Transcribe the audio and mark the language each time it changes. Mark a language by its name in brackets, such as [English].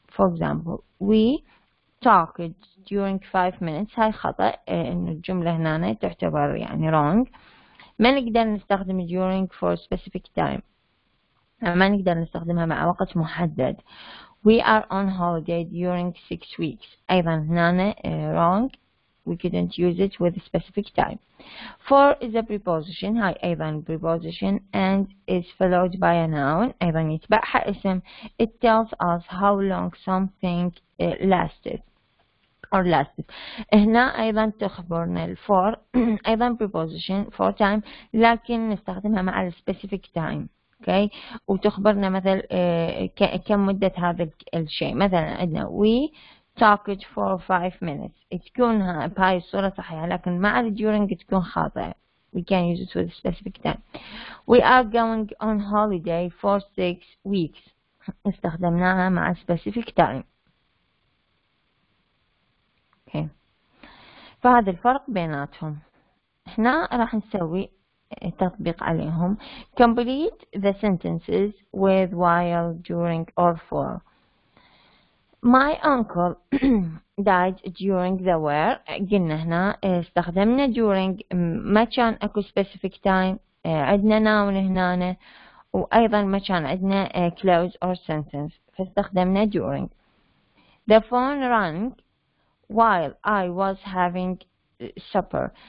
[English] For example, we talked during 5 minutes. [Arabic] هاي خطأ، إن الجملة هنا تعتبر يعني wrong. ما نقدر نستخدم [English] during for specific time، [Arabic] ما نقدر نستخدمها مع وقت محدد. [English] We are on holiday during 6 weeks. [Arabic] أيضا هنا [English] wrong. We couldn't use it with a specific time. For is a preposition. [Arabic] هاي أيضا [English] preposition and is followed by a noun. [Arabic] أيضا يتبعها اسم. [English] It tells us how long something lasted. Or lasted. [Arabic] هنا أيضا تخبرنا for أيضا [English] preposition for time. [Arabic] لكن نستخدمها مع [English] specific time. Okay. [Arabic] وتخبرنا مثلا كم مدة هذا الشيء. مثلا عندنا [English] we talked for 5 minutes. [Arabic] تكون هاي الصورة صحيحة، لكن مع during تكون خاطئة. [English] We can use it with specific time. We are going on holiday for 6 weeks. [Arabic] استخدمناها مع [English] specific time. [Arabic] Okay. فهذا الفرق بيناتهم. احنا راح نسوي تطبيق عليهم. [English] Complete the sentences with while, during, or for. My uncle died during the war. [Arabic] قلنا هنا استخدمنا during، ما كان اكو [English] specific time، [Arabic] عندنا noun هنا، وايضا ما كان عندنا [English] close or sentence، [Arabic] فاستخدمنا during. [English] The phone rang while I was having supper.